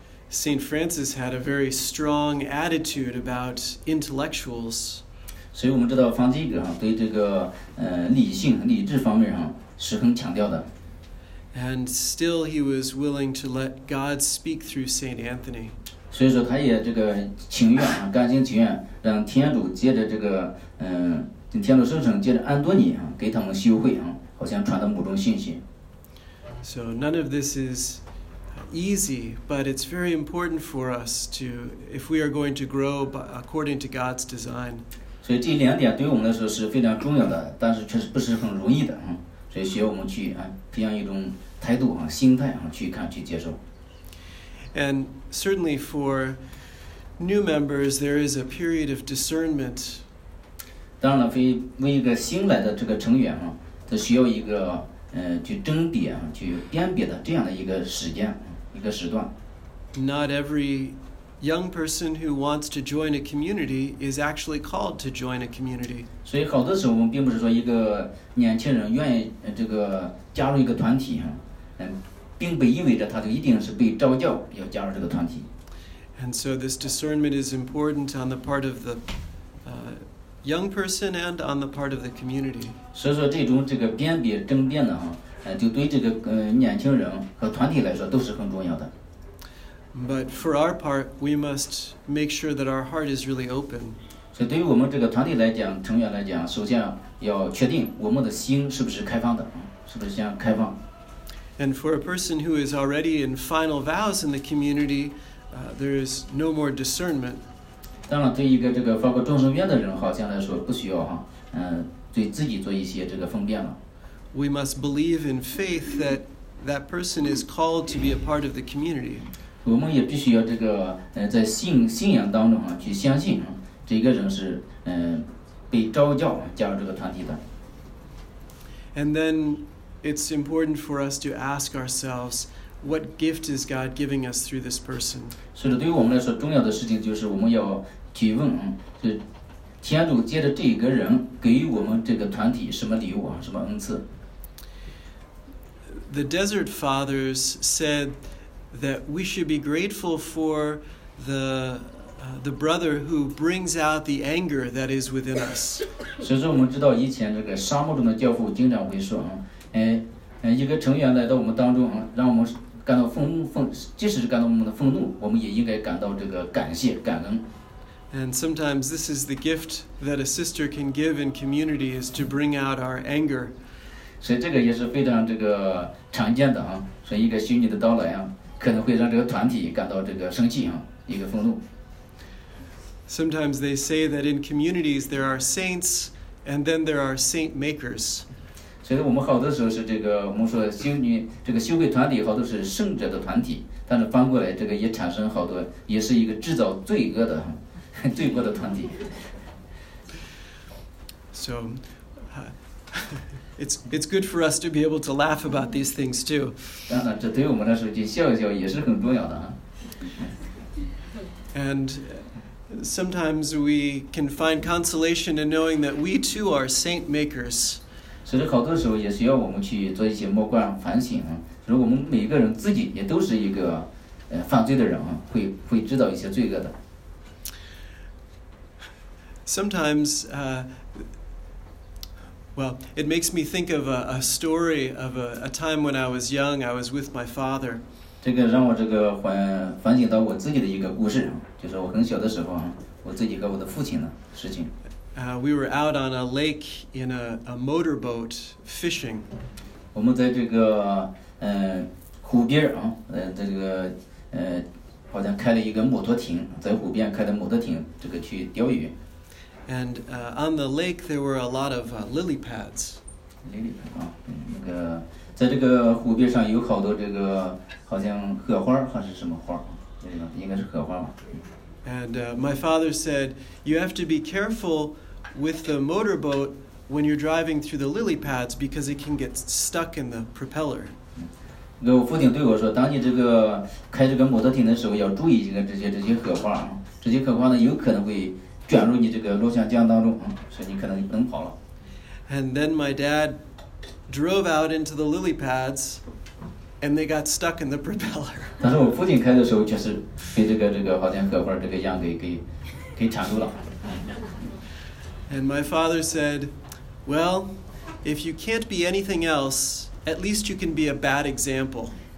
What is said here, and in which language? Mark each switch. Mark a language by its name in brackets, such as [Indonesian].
[English] St. Francis had a very strong attitude about intellectuals. [Chinese] 所以我们知道方济各对这个理性理智方面是很强调的。 [English] And still he was willing to let God speak through St. Anthony. [Chinese] 所以说他也这个情愿甘心情愿让天主借着这个天主圣神借着安多尼给他们修会好像传达某种信息。 [English] So none of this is easy, but it's very important for us to, if we are going to grow according to God's design. [Chinese] 所以这两点对我们来说是非常重要的，但是确实不是很容易的。所以需要我们去这样一种态度心态去看去接受。 [English] And certainly for new members, there is a period of discernment. [Chinese] 当然了，为一个新来的这个成员他需要一个去甄别去辨别的这样的一个时间一个时段。 [English] Not every young person who wants to join a community is actually called to join a community. [Chinese] 所以好多时候我们并不是说一个年轻人愿意这个加入一个团体并不意味着他就一定是被召叫要加入这个团体。 [English] And so this discernment is important on the part of the young person and on the part of the community. [Chinese] 所以说这种这个辨别争辩呢就对这个年轻人和团体来说都是很重要的。 [English] But for our part, we must make sure that our heart is really open. [Chinese] 所以对于我们这个团体来讲，成员来讲，首先要确定我们的心是不是开放的，是不是先开放。 [English] And for a person who is already in final vows in the community, there is no more discernment. [Chinese] 当然，对一个这个发过众生愿的人，好像来说不需要对自己做一些这个分辨了。 [English] We must believe in faith that that person is called to be a part of the community. [Chinese] 我们也必须要这个在信仰当中去相信这个人是被召叫加入这个团体的。 [English] And then it's important for us to ask ourselves, what gift is God giving us through this person? [Chinese] 所以对于我们来说，重要的事情就是我们要提问，是天主借着这个人给予我们这个团体什么礼物什么恩赐。 [English] The Desert Fathers said that we should be grateful for the brother who brings out the anger that is within us. [Chinese] 所以说我们知道以前这个沙漠中的教父经常会说一个成员来到我们当中让我们感到即使是感到我们的愤怒，我们也应该感到这个感谢感恩。 [English] And sometimes this is the gift that a sister can give in community is to bring out our anger. [Chinese] 所以这个也是非常这个常见的所以一个修女的到来可能会让这个团体感到这个生气一个愤怒。 [English] Sometimes they say that in communities there are saints and then there are saint makers. [Chinese] 所以我们好多时候是这个我们说修女这个修会团体好多是圣者的团体，但是翻过来这个也产生好多也是一个制造罪恶的罪恶的团体。 [English] So, It's good for us to be able to laugh about these things too. [Chinese] 当然，这对我们来说，就笑一笑也是很重要的。 [English] And sometimes we can find consolation in knowing that we too are saint makers. [Chinese] 所以，好多时候也需要我们去做一些默观反省如果我们每个人自己也都是一个犯罪的人会制造一些罪恶的。 [English] Sometimes, well, it makes me think of a story of a time when I was young. I was with my father. [Chinese] 这个让我这个反省到我自己的一个故事，就是我很小的时候，我自己和我的父亲的事情。 [English] We were out on a lake in a motorboat fishing. [Chinese] 我们在这个湖边在这个好像开了一个摩托艇，在湖边开的摩托艇，这个去钓鱼。 [English] And on the lake there were a lot of lily pads. And my father said, you have to be careful with the motorboat when you're driving through the lily pads because it can get stuck in the propeller. [Chinese] 我父亲对我说，当你这个开这个摩托艇的时候，要注意这个这些荷花，这些荷花呢有可能会卷入你这个螺旋桨当中，所以你可能不能跑了。 [English] And then my dad drove out into the lily pads, and they got stuck in the propeller. [Chinese] 但是我父亲开的时候，确实被这个荷花这个样给缠住了。 [English] And my father said, "Well, if you can't be anything else, at least you can be a bad example."